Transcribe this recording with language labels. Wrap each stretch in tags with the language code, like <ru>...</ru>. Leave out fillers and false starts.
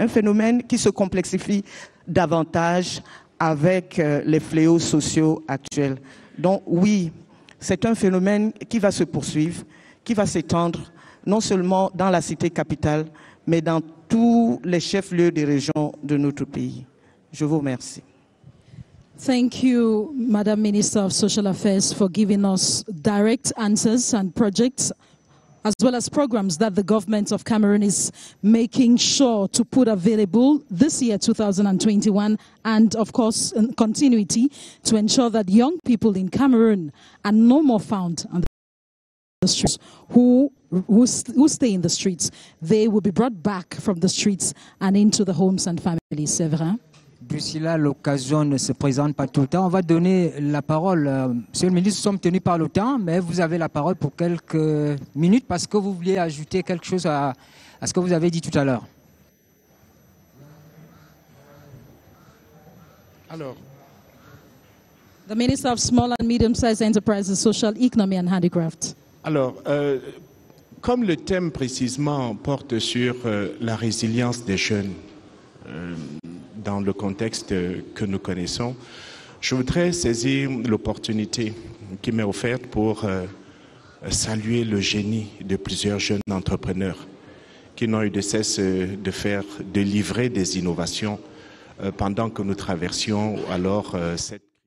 <fr>Un phénomène qui se complexifie davantage avec les fléaux sociaux actuels. Donc oui, c'est un phénomène qui va se poursuivre, qui va s'étendre, non seulement dans la cité capitale, mais dans tous les chefs-lieux des régions de notre pays. Je vous remercie.</fr> <en>Thank you, Madam Minister of Social Affairs, for giving us direct answers and projects, as well as programs that the government of Cameroon is making sure to put available this year, 2021, and of course, in continuity to ensure that young people in Cameroon are no more found on the streets who stay in the streets. They will be brought back from the streets and into the homes and families.</en> <fr>Séverin. D'ici là, l'occasion ne se présente pas tout le temps. On va donner la parole. Monsieur le ministre, nous sommes tenus par le temps, mais vous avez la parole pour quelques minutes parce que vous vouliez ajouter quelque chose à ce que vous avez dit tout à l'heure. Alors.</fr> <en>The Minister of Small and Medium-Sized Enterprises, Social, Economy and Handicraft.</en> <fr>Alors, comme le thème précisément porte sur la résilience des jeunes dans le contexte que nous connaissons, je voudrais saisir l'opportunité qui m'est offerte pour saluer le génie de plusieurs jeunes entrepreneurs qui n'ont eu de cesse de livrer des innovations pendant que nous traversions alors cette</fr>